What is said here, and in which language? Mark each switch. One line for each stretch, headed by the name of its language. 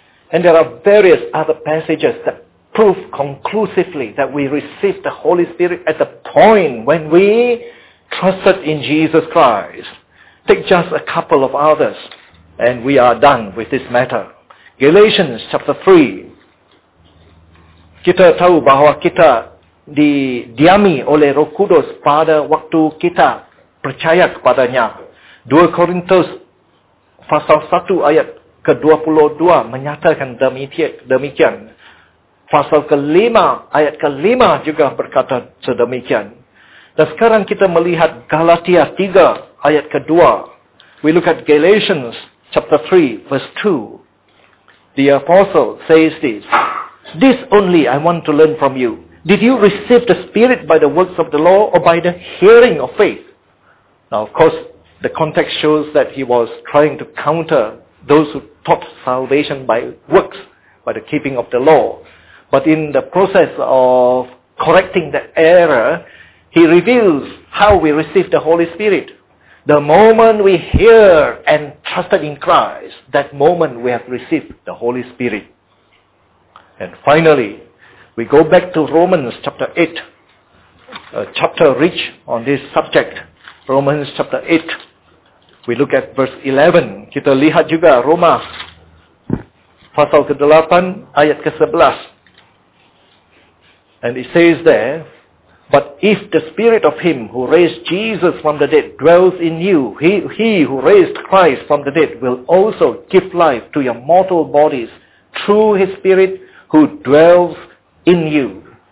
English: And there are various other passages that prove conclusively that we received the Holy Spirit at the point when we trusted in Jesus Christ. Take just a couple of others, and we are done with this matter. Galatians chapter 3.
Indonesian: Kita tahu bahwa kita didiami oleh Roh Kudus pada waktu kita percaya kepadanya. 2 Korintus pasal 1 ayat ke-22 menyatakan demikian. Pasal ke-5 ayat ke-5 juga berkata sedemikian. Dan sekarang kita melihat Galatia 3 ayat ke-2.
English: We look at Galatians chapter 3 verse 2. The apostle says this: "This only I want to learn from you. Did you receive the Spirit by the works of the law or by the hearing of faith?" Now, of course, the context shows that he was trying to counter those who taught salvation by works, by the keeping of the law. But in the process of correcting the error, he reveals how we receive the Holy Spirit. The moment we hear and trusted in Christ, that moment we have received the Holy Spirit. And finally, we go back to Romans chapter 8, a chapter rich on this subject. Romans chapter 8, we look at verse 11.
Indonesian: Kita lihat juga Roma, pasal ke-8, ayat ke-11.
English: And it says there, "But if the Spirit of him who raised Jesus from the dead dwells in you, he who raised Christ from the dead will also give life to your mortal bodies through his Spirit who dwells in you."